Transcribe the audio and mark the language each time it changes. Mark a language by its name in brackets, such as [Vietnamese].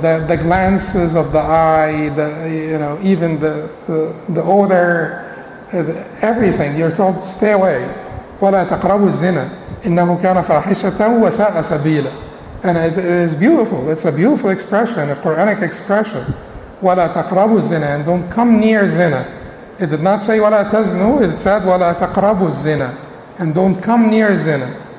[English] the glances of the eye, even the odor, everything. You're told stay away. [Arabic] ولا تقربوا الزنا إنه كان فاحشة وساء سبيلا. [English] And it is beautiful. It's a beautiful expression, a Quranic expression. [Arabic] ولا تقربوا الزنا, [English] and don't come near zina. It did not say [Arabic] ولا تزنوا. [English] It said [Arabic] ولا تقربوا الزنا, [English] and don't come near zina.